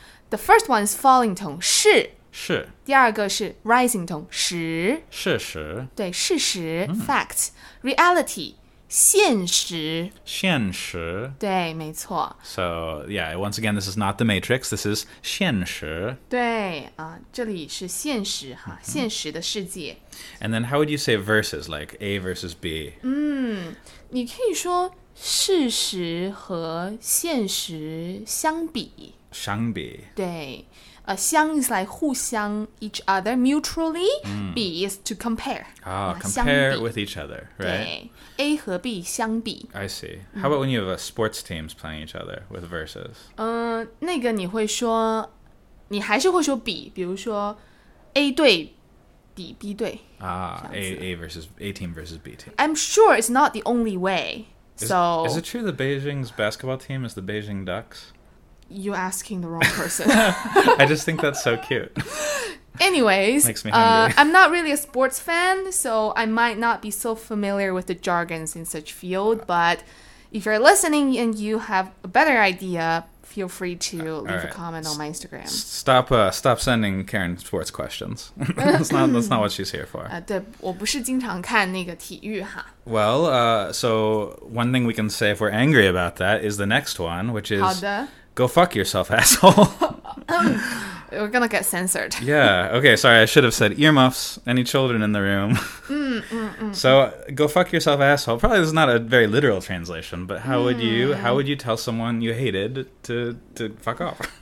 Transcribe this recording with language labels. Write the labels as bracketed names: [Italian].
[English] The first one is falling tone. [Chinese] 是。是。第二个是 [English] rising tone, [Chinese] 实。事实。对,事实 , [English] fact. Reality, [Chinese] 现实。现实。对,没错。 [English] So, yeah, once again, this is not the Matrix, this is [Chinese] 现实。对,这里是现实,现实的世界。 [English] And then how would you say versus, like A versus B? [Chinese] 你可以说事实和现实相比。相比。 [English] 对。 [Chinese] 相 [English] is like [Chinese] 互相 [English] each other mutually. B is to compare. Compare with each other, right? [Chinese] A 和 B 相比。 [English] I see. How about when you have a sports teams playing each other with versus? [Chinese] 那个你会说，你还是会说比，比如说 A 队比 B 队。 [English] A versus A team versus B team. I'm sure it's not the only way. Is it true that Beijing's basketball team is the Beijing Ducks? You're asking the wrong person. I just think that's so cute. Anyways, makes me hungry. I'm not really a sports fan, so I might not be so familiar with the jargons in such field, but if you're listening and you have a better idea, feel free to leave a comment on my Instagram. Stop sending Karen sports questions. that's not what she's here for. [Chinese] 对,我不是经常看那个体育哈。 [English] Well, so one thing we can say if we're angry about that is the next one, which is... [Chinese] 好的。 [English] Go fuck yourself, asshole. We're gonna get censored. Yeah, okay, sorry, I should have said earmuffs. Any children in the room? So, go fuck yourself, asshole. Probably this is not a very literal translation, but how would you tell someone you hated to fuck off?